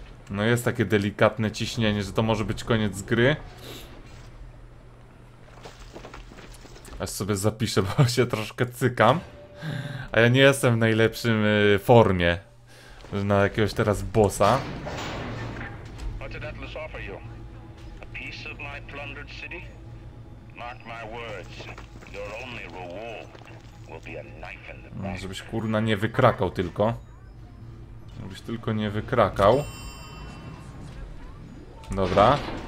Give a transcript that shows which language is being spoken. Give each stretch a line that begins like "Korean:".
Polish: No jest takie delikatne ciśnienie, że to może być koniec gry. Aż sobie zapiszę, bo się troszkę cykam. A ja nie jestem w najlepszym formie na jakiegoś teraz bossa.
English: What did Atlas offer you? A piece of my plundered city? Mark my words. Your only reward will be a knife in the back.
Polish: No, żebyś kurna nie wykrakał tylko. Żebyś tylko nie wykrakał. Dobra.